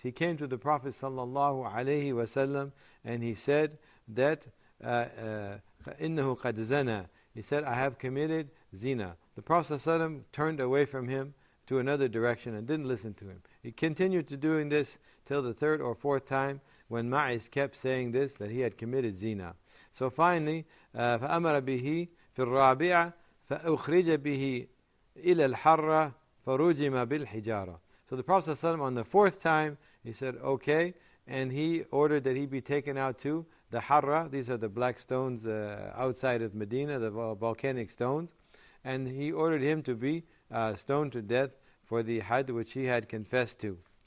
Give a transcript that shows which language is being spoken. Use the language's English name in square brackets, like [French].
[English] He came to the Prophet sallallahu alayhi wa sallam and he said that [Arabic] innahu qad zana. [English] He said, I have committed zina. The Prophet sallallahu alayhi wa sallam turned away from him to another direction and didn't listen to him. He continued to doing this till the third or fourth time, when Ma'iz kept saying this, that he had committed zina. So finally, [Arabic] فَأَمَرَ بِهِ فِي الرَّابِعَ فَأُخْرِجَ بِهِ إِلَى الْحَرَّ فَرُجِمَ بِالْحِجَارَةِ. [English] So the Prophet ﷺ, on the fourth time, he said, okay, and he ordered that he be taken out to the Harra. These are the black stones outside of Medina, the volcanic stones. And he ordered him to be stoned to death for the had which he had confessed to.